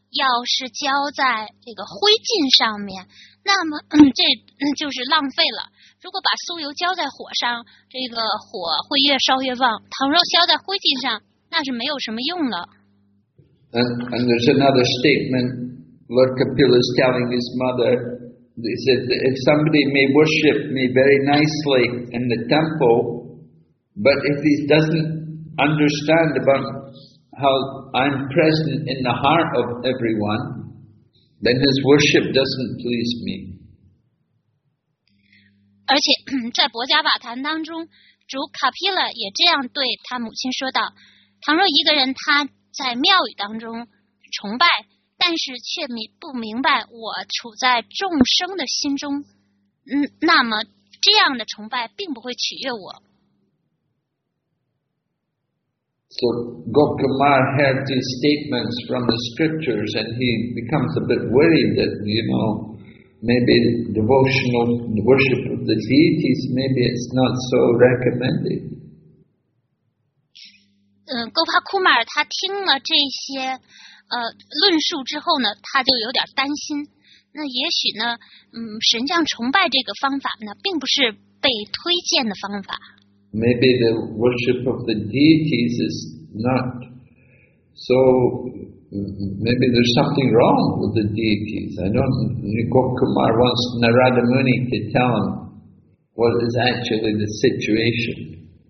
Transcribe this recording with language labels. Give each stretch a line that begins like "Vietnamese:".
Chinese: 要是浇在这个灰烬上面，那么这就是浪费了。如果把酥油浇在火上，这个火会越烧越旺，倘若浇在灰烬上，那是没有什么用了。
English: And there's another statement Lord Kapila is telling his mother. He said that if somebody may worship me very nicely in the temple, but if he doesn't understand about how I'm present in the heart of everyone, then his worship doesn't please me.
Chinese: 而且在博迦瓦坛当中，主卡皮勒也这样对他母亲说道：倘若一个人他在庙宇当中崇拜，但是却不明白我处在众生的心中，那么这样的崇拜并不会取悦我。
English: So Gokumar heard these statements from the scriptures, and he becomes a bit worried that, you know, maybe devotional worship of the deities, maybe it's not so recommended.
Chinese: Gopakumar, 他听了这些论述之后呢，他就有点担心。那也许呢，神像崇拜这个方法呢，并不是被推荐的方法。
English: Maybe the worship of the deities is not so. Maybe there's something wrong with the deities. I don't. Gokumar wants Narada Muni to tell him what is actually the situation.